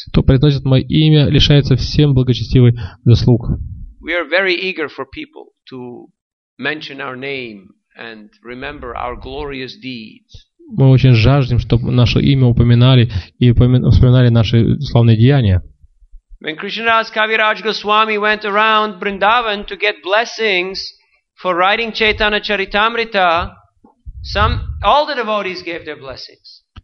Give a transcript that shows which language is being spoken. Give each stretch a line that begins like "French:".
Russian: Кто произносит мое имя, лишается всем благочестивых заслуг.
English: We are very eager for people to mention our name and remember our glorious deeds.
Russian: Мы очень жаждем, чтобы наше имя упоминали и вспоминали наши славные деяния.
English: When Krishnadas Kaviraj Goswami went around Vrindavan to get blessings for writing Chaitanya Charitamrita, all the devotees gave their blessings.